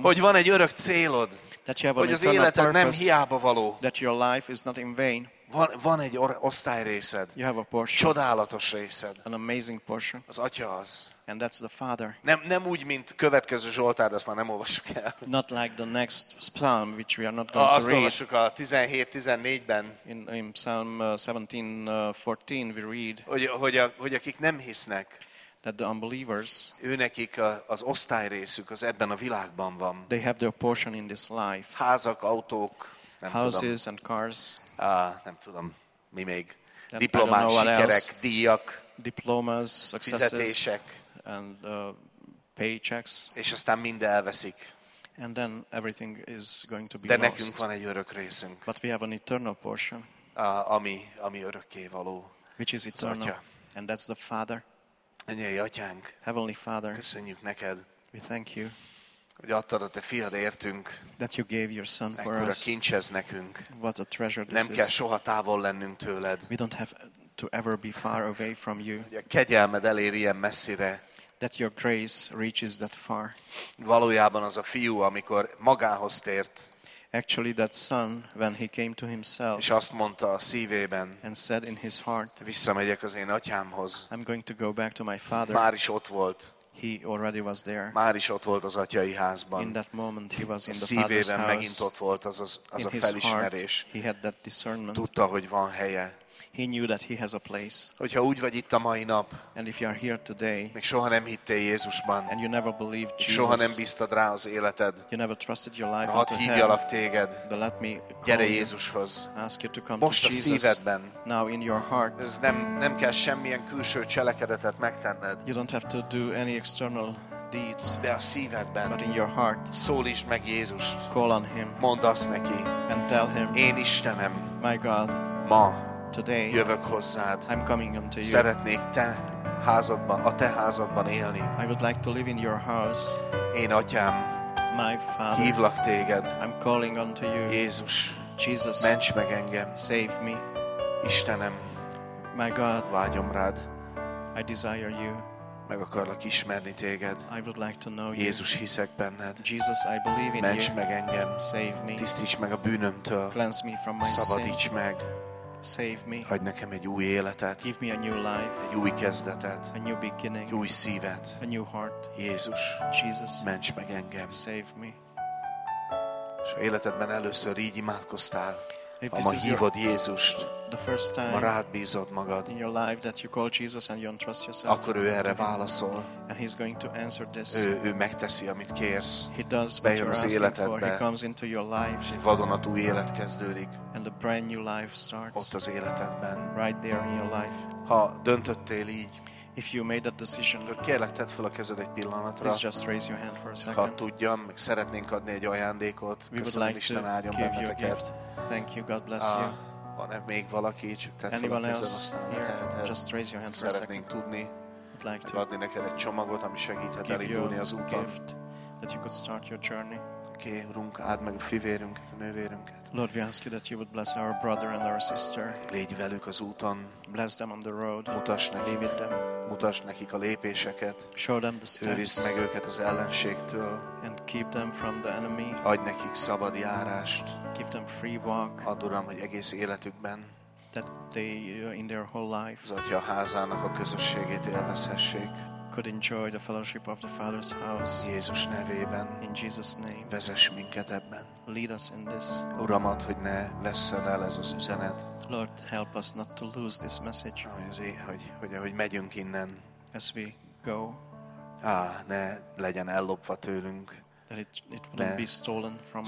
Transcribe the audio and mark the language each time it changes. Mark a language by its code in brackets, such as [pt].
[hu] hogy van egy örök célod, [en] that you have [hu] hogy [en] an [hu] az életed [en] purpose, [hu] nem hiába való. [en] That your life is not in vain. [hu] Van egy osztályrészed. [en] You have a portion. [hu] Csodálatos részed. [en] An amazing portion. [hu] Az Atya az. [en] And that's the Father. [hu] Nem úgy, mint következő Zsoltár, azt már nem olvassuk el. [en] Not like the next psalm, which we are not going to read. [hu] Azt olvassuk a 17-14-ben. [en] In Psalm 17-14 we read. [hu] Hogy akik nem hisznek. [en] That the unbelievers. [hu] Őnekik az osztályrészük az ebben a világban van. [en] They have their portion in this life. [hu] Házak, autók, nem [en] houses [hu] tudom. [en] And cars. [hu] Nem tudom, mi még. Diplomás, sikerek, díjak. [en] Diplomas, successes. [hu] Fizetések. [en] And paychecks. [hu] És aztán mind elveszik. [en] And then everything is going to be lost. [hu] Nekünk van egy örök részünk. [en] But we have an eternal portion. [hu] Ami örökké való. [en] Which is eternal. And that's the Father. [hu] Ennyi, Atyánk. [en] Heavenly Father. [hu] Köszönjük neked. [en] We thank you. [hu] Hogy adtad a te fiad értünk. [en] That you gave your son for us. [hu] Ekkora kincs ez nekünk. [en] What a treasure this is. [hu] Nem kell soha távol lennünk tőled. [en] We don't have to ever be far away from you. [hu] Hogy a kegyelmed elér ilyen messzire. [en] That your grace reaches that far. [hu] Valójában az a fiú, amikor magához tért. [en] Actually that son when he came to himself. [hu] És azt mondta a szívében. [en] And said in his heart. [hu] Visszamegyek az én atyámhoz. [en] I'm going to go back to my father. [hu] Már is ott volt. [en] He already was there. [hu] Már is ott volt az atyai házban. [en] In that moment he was in the father's house. [hu] Szívében megint ott volt az a felismerés. [en] He had that discernment. [hu] Tudta, hogy van helye. [en] He knew that he has a place. [hu] Hogyha úgy vagy itt a mai nap, [en] and if you are here today, [hu] még soha nem hittél Jézusban, [en] and you never believed Jesus, [hu] soha nem bíztad rá az életed, [en] you never trusted your life unto him, [hu] hadd hívjalak téged, [en] then let me [hu] gyere Jézushoz, [en] ask you to come [hu] most [en] to [hu] a [en] Jesus, [hu] szívedben, [en] now in your heart. [hu] Ez nem kell semmilyen külső cselekedetet megtenned, [en] you don't have to do any external deeds, [hu] de a szívedben, [en] but in your heart, [hu] szólítsd meg Jézust, [en] call on him, [hu] mondd azt neki, [en] and tell him, [hu] én Istenem, [en] my God, [hu] ma, [en] today, [hu] jövök hozzád. [en] I'm coming unto you. [hu] Szeretnék te házadban, a te házadban élni. [en] I would like to live in your house. [hu] Én atyám, [en] my father, [hu] hívlak téged. [en] I'm calling unto you. [hu] Jézus, [en] Jesus, [hu] ments meg engem. [en] Save me. [hu] Istenem, [en] my God, [hu] vágyom rád. [en] I desire you. [hu] Meg akarlak ismerni téged. [en] I would like to know [hu] Jézus, [en] you. [hu] Hiszek benned. [en] Jesus, I believe in [hu] ments [en] you. [hu] Meg engem. [en] Save me. [hu] Tisztíts meg a bűnömtől. [en] Cleanse me from my sin. [hu] Szabadíts meg. [en] Save me. [hu] Adj nekem egy új életet. [en] Give me a new life. [hu] Egy új kezdetet. [en] A new beginning. [hu] Egy új szívet. [en] A new heart. [hu] Jézus. [en] Jesus. [hu] Ments meg engem. [en] Save me. [hu] És ha életedben először így imádkoztál, ha ma hívod Jézust, [en] the first time [hu] ma rád bízod magad, [en] in your life that you call Jesus and you entrust yourself, [hu] akkor ő erre válaszol. [en] And he's going to answer this. [hu] Ő megteszi, amit kérsz. [en] He does what you're asking for. He comes into your life. [hu] És egy vadonatúj élet kezdődik. [en] And a brand new life starts. [hu] Ott az életedben. [en] Right there in your life. [hu] Ha döntöttél így, [en] if you made that decision, [hu] kérlek, tedd fel a kezed egy pillanatra. [en] Please just raise your hand for a second. [hu] Ha tudjam, meg szeretnénk adni egy ajándékot. [en] We would like to give you a gift. Thank you. God bless you. [hu] Van-e még valaki? Csak tedd fel a kezed, aztán leteheted. [en] Just raise your hand for a second. [hu] Szeretnénk tudni. [en] Like to [hu] adni neked egy csomagot, ami segíthet elindulni az úton. [en] Gift, that you could start your journey. [hu] Oké, Urunk, áld meg a fivérünket, a nővérünket. [en] Lord, we ask you that you would bless our brother and our sister. [hu] Légy velük az úton. [en] Bless them on the road. [hu] Mutasd nekik a lépéseket. [en] Show them the steps. [hu] Őrizd meg őket az ellenségtől. [en] And keep them from the enemy. [hu] Adj nekik szabad járást. [en] Give them free walk. [hu] Add, Uram, hogy egész életükben, [en] that they in their whole life, [hu] az atya házának a közösségét élvezhessék, [en] could enjoy the fellowship of the Father's house. [hu] Jézus nevében, [en] in Jesus' name, [hu] vezess minket ebben. [en] Lead us in this. [hu] Uram, add, hogy ne vesszen el ez az üzenet. [en] Lord, help us not to lose this message. [hu] Hogy megyünk innen, [en] as we go, [hu] ne legyen ellopva tőlünk, [en] that it wouldn't be stolen from us,